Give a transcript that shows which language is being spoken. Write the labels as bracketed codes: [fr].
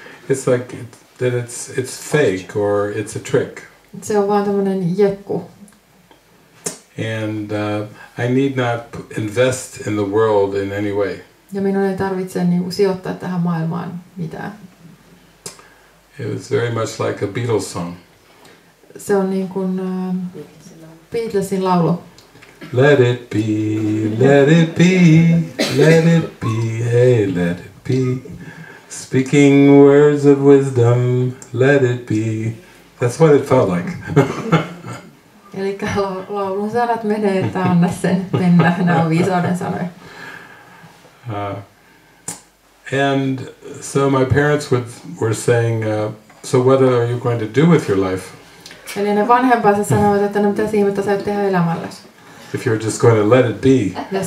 [en] It's like that it's fake or it's a trick. [fi] Se on vaan tämmöinen jekku. [en] And I need not invest in the world in any way. [fi] Ja minun ei tarvitse niin kuin sijoittaa tähän maailmaan mitään. [en] It was very much like a Beatles song. [fi] Se on niin kuin Beatlesin laulu. [en] Let it be, let it be, let it be, hey, let it be. Speaking words of wisdom, let it be. That's what it felt like. [fi] Eli laulun sanat menee, että anna sen mennä. Nämä on viisauden sanoja. [en] And so my parents were saying, so what are you going to do with your life? [fi] Eli ne vanhempansa sanoivat, että no mitä siinä, mitä sä et tehdä elämälläsi. [en] If you're just going to let it be.